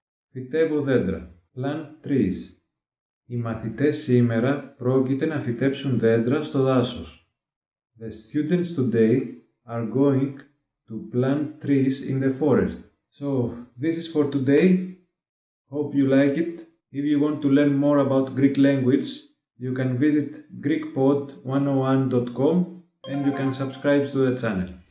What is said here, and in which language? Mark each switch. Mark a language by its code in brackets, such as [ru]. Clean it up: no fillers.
[el] Φυτεύω δέντρα. [en] Plant trees. [el] Οι μαθητές σήμερα πρόκειται να φυτέψουν δέντρα στο δάσος. [en] The students today are going to plant trees in the forest. So, this is for today. Hope you like it. If you want to learn more about Greek language, you can visit GreekPod101.com and you can subscribe to the channel.